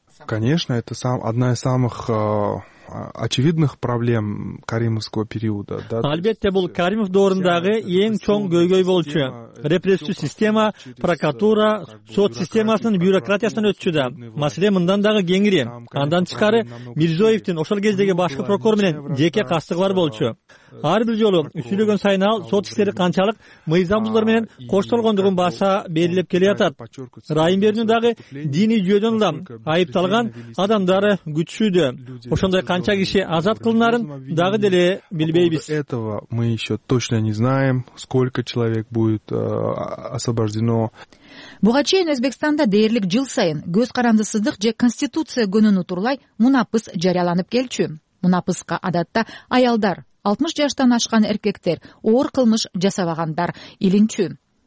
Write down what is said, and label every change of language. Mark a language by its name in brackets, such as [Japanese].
[Russian] Конечно, это одна из самых очевидных проблем Каримовского периода. [Kyrgyz] Албетте, бул Каримов доорундагы эң чоң көйгөй болчу. Репрессивдүү система, прокуратура, сот системасынын бюрократиясынан өтчү да. Маселе мындан дагы кеңири. Андан тышкары Мирзоевдин ошол кездеги башкы прокурор менен жеке кастыктары болчу. Ар бир жолу сүйлөгөн сайын ал сот иштери канчалык мыйзамдуулар менен коштолгондугун баса белгилеп келе жатат. Райымбердин дагы диний жүйөдөн да айыпталган адамдары күчүүдө. Ошондой канча киши азат кылынарын дагы деле билбейбиз. [Russian] Этого мы еще точно не знаем, сколько человек будет освобождено. [Kyrgyz] Буга чейин Өзбекстанда дээрлик жыл сайын көз карандысыздык же конституция күнүн утурлай мунапыс жарыяланып келчү. Мунапыска адатта аялдар, 60 жаштан ашкан эркектер, оор кылмыш жасабагандар илинчү.